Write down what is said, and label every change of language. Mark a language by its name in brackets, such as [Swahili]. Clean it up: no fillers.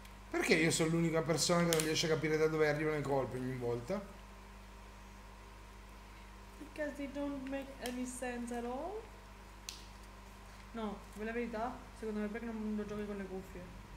[Italian] Perché io sono l'unica persona che non riesce a capire da dove arrivano i colpi ogni volta? [English] Because they don't make any sense at all. [Italian] No, per la verità, secondo me perché non lo giochi con le cuffie.